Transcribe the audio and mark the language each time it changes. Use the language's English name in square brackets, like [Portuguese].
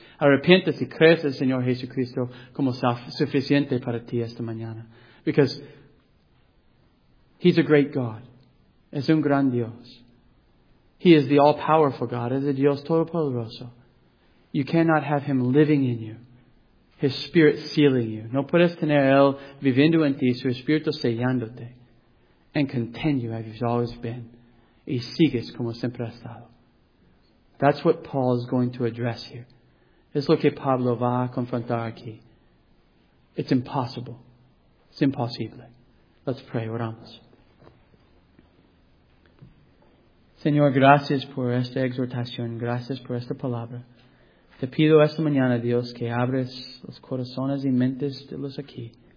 [Spanish] Arrepientes y crees en Señor Jesucristo como suficiente para ti esta mañana. [English] Because He's a great God. [Spanish] Es un gran Dios. [English] He is the all-powerful God. [Spanish] Es el Dios todopoderoso. [English] You cannot have Him living in you. His Spirit sealing you. [Spanish] No puedes tener Él viviendo en ti, su Espíritu sellándote. [English] And continue as you've always been. [Spanish] Y sigues como siempre has estado. [English] That's what Paul is going to address here. [Spanish] Es lo que Pablo va a confrontar aquí. [English] It's impossible. It's imposible. Let's pray. [Spanish] Oramos. Señor, gracias por esta exhortación. Gracias por esta palabra. Te pido esta mañana, Dios, que abres los corazones y mentes de los aquí.